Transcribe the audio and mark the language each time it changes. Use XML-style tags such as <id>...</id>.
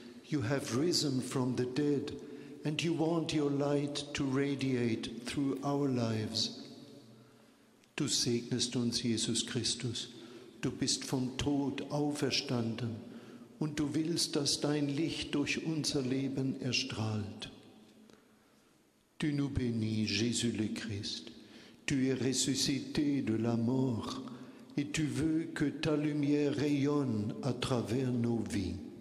<en>You have risen from the dead, and you want your light to radiate through our lives.</en> <de>Du segnest uns, Jesus Christus. Du bist vom Tod auferstanden, und du willst, dass dein Licht durch unser Leben erstrahlt.</de> <fr>Tu nous bénis, Jésus le Christ. Tu es ressuscité de la mort, et tu veux que ta lumière rayonne à travers nos vies.</fr>